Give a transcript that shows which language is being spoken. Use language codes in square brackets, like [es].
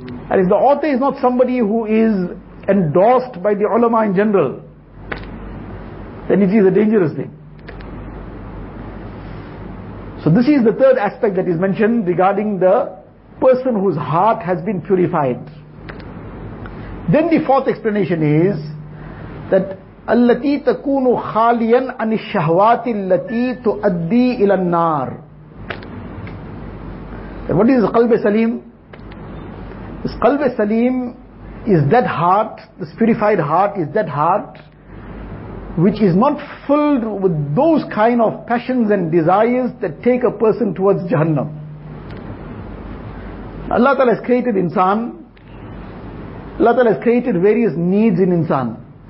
[en] And if the author is not somebody who is endorsed by the ulama in general, then it is a dangerous thing. So this is the third aspect that is mentioned regarding the person whose heart has been purified. Then the fourth explanation is that [ar] التي تكون خاليا عن الشهوات التي تؤدي إلى النار. [en] What is قلب سليم? This قلب سليم is that heart, this purified heart is that heart which is not filled with those kind of passions and desires that take a person towards Jahannam. Allah Ta'ala has created insan. Allah Ta'ala has created various needs in insan.